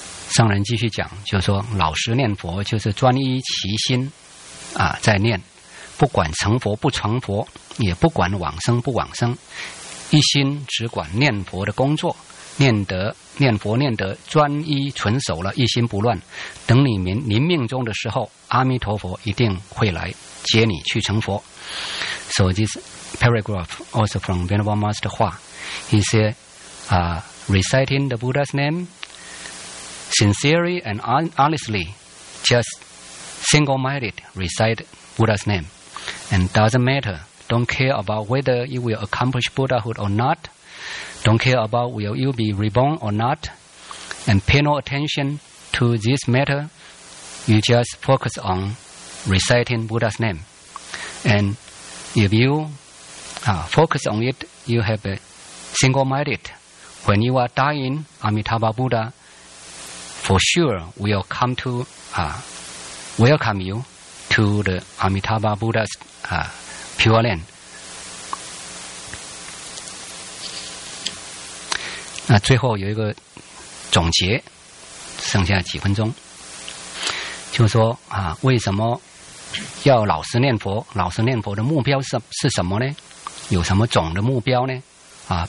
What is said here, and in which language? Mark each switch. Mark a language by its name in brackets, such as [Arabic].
[Chinese] Sang Ren 继续讲，就是说老实念佛就是专一其心在念，不管成佛不成佛，也不管往生不往生，一心只管念佛的工作，念得念佛念得专一纯守了，一心不乱，等你们临命中的时候，阿弥陀佛一定会来接你去成佛。 [English] So this paragraph also from Venerable Master Hua, he said reciting the Buddha's name sincerely and honestly, just single-minded recite Buddha's name, and doesn't matter, don't care about whether you will accomplish Buddhahood or notDon't care about will you be reborn or not, and pay no attention to this matter. You just focus on reciting Buddha's name. And if you focus on it, you have a single-minded. When you are dying, Amitabha Buddha for sure will come to welcome you to the Amitabha Buddha's Pure Land. [Chinese] 那最后有一个总结，剩下几分钟，就是说为什么要老实念佛？老实念佛的目标是什么呢？有什么总的目标呢？